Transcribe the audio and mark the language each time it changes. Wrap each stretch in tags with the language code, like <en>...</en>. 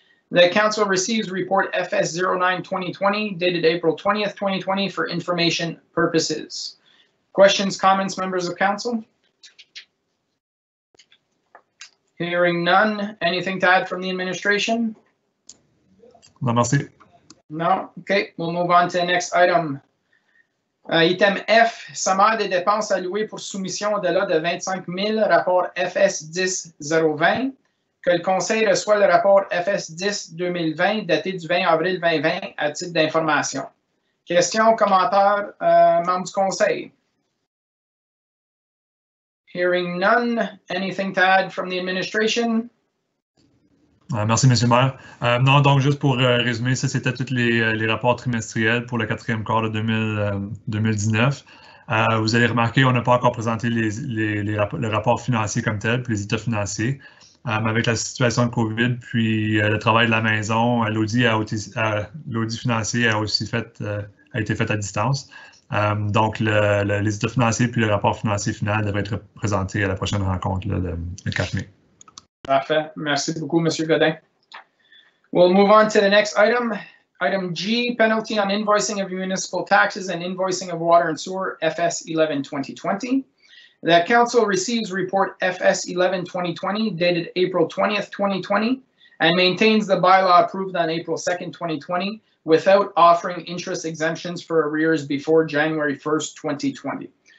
<en>The council receives report FS09-2020, dated April 20th, 2020, for information purposes. Questions, comments, members of council? Hearing none, anything to add from the administration? No, merci. No, okay, we'll move on to the next item.</en> <fr>Item F, sommaire des dépenses allouées pour soumission au-delà de 25 000, rapport FS10-020. Que le conseil reçoit le rapport FS10-2020, daté du 20 avril 2020, à titre d'information. Questions, commentaires, membres du conseil?</fr> <en>Hearing none, anything to add from the administration?</en> <fr>Merci, M. le maire. Non, donc juste pour résumer, ça c'était tous les rapports trimestriels pour le quatrième quart de 2019. Vous allez remarquer, on n'a pas encore présenté le rapport financier comme tel, puis les états financiers. Mais avec la situation de COVID, puis le travail de la maison, l'audit financier a été fait à distance. Donc, les états financiers puis le rapport financier final devraient être présentés à la prochaine rencontre le 4 mai. Parfait. Merci beaucoup, Monsieur Godin.</fr> <en>We'll move on to the next item. Item G, penalty on invoicing of municipal taxes and invoicing of water and sewer, FS11-2020. The council receives report FS11-2020, dated April 20th, 2020, and maintains the bylaw approved on April 2nd, 2020, without offering interest exemptions for arrears before January 1st, 2020.</en>